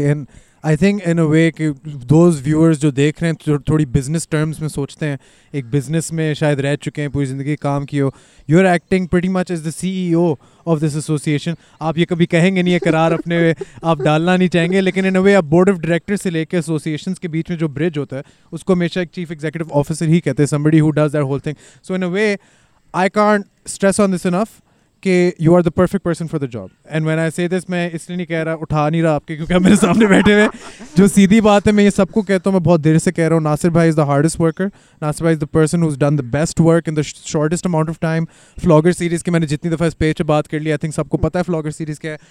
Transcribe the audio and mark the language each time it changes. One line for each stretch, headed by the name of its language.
English: and I think in a way
Hindi: कि
English: those viewers
Hindi: जो देख रहे हैं, जो थोड़ी बिजनेस टर्म्स में सोचते हैं, एक बिजनेस में शायद रह चुके हैं, पूरी ज़िंदगी काम की हो,
English: You are acting pretty much as the CEO of this association.
Hindi: आप ये कभी कहेंगे नहीं है करार अपने आप डालना नहीं चाहेंगे, लेकिन
English: in a way
Hindi: आप बोर्ड ऑफ डायरेक्टर से लेकर एसोसिएशन के बीच में जो ब्रिज होता है उसको हमेशा एक चीफ एग्जीक्यूटिव ऑफिसर ही कहते हैं,
English: somebody who does that whole thing. So in a way, I can't stress on this enough. You are the perfect person for the job. And when I say this,
Hindi: मैं इसलिए नहीं कह रहा, उठा नहीं रहा आपके, क्योंकि आप मेरे सामने बैठे हुए. जो सीधी बात है, मैं ये सबको कहता हूँ, मैं बहुत देर से कह रहा हूँ, नासिर भाई
English: Is the hardest worker. Nasir भाई is the person who's done the best work in the shortest amount of time.
Hindi: Vlogger series की मैंने जितनी दफ़ा इस पेज पर बात कर ली,
English: I think
Hindi: सबको पता है फ्लॉगर सीरीज़ क्या है.